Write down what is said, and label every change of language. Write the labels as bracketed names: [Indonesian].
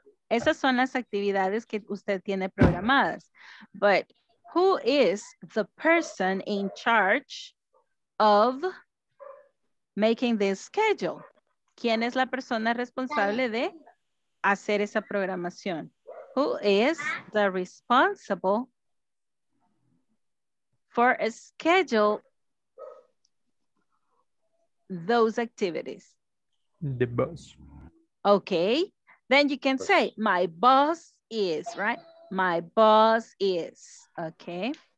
[Spanish] Esas son las actividades que usted tiene programadas. [English] But who is the person in charge of making this schedule? [Spanish] ¿Quién es la persona responsable de hacer esa programación? [English] Who is the responsible for a schedule those activities? The boss. Okay. Then you can say, my boss is, right? My boss is, okay.